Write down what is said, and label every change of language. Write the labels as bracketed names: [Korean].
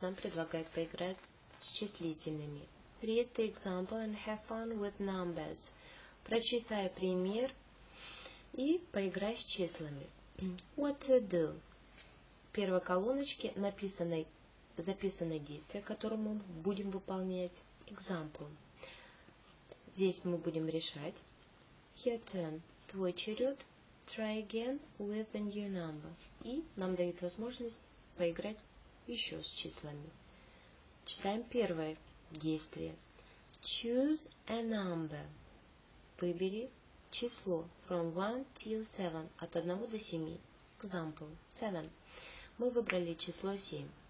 [Russian] Нам предлагают поиграть с числительными. [English] Read the example and have fun with numbers. [Russian] Прочитай пример и поиграй с числами. [English] What to do? [Russian] В первой колоночке записано действие, которое мы будем выполнять. [English] Example. [Russian] Здесь мы будем решать. [English] Your turn. [Russian] Твой черед. [English] Try again with a new number. [Russian] И нам дают возможность поиграть еще с числами. Читаем первое действие. [English] Choose a number. [Russian] Выбери число [English] from 1 till 7, [Russian] от 1 до 7. [English] Example, 7. [Russian] Мы выбрали число 7.